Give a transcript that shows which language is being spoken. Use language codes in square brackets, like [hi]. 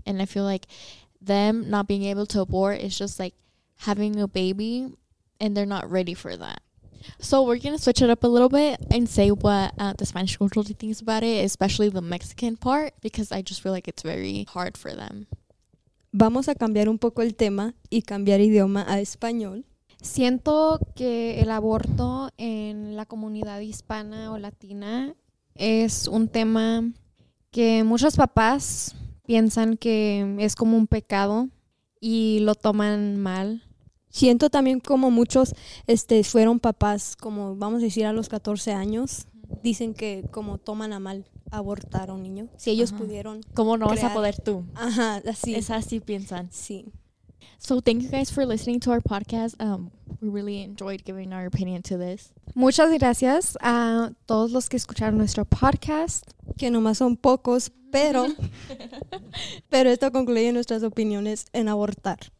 [en] And I feel like them not being able to abort is just, like, having a baby, and they're not ready for that. So we're going to switch it up a little bit and say what the Spanish culture thinks about it, especially the Mexican part, because I just feel like it's very hard for them. [es] Vamos a cambiar un poco el tema y cambiar idioma a español. Siento que el aborto en la comunidad hispana o latina es un tema que muchos papás piensan que es como un pecado y lo toman mal. Siento también como muchos fueron papás, como vamos a decir a los 14 años, dicen que como toman a mal abortar a un niño. Si ellos pudieron. ¿Cómo no vas a poder tú? Ajá, así. Es así piensan. Sí. [en] So thank you guys for listening to our podcast. We really enjoyed giving our opinion to this. [es] Muchas gracias a todos los que escucharon nuestro podcast. Que nomás son pocos, pero esto concluye nuestras opiniones en abortar.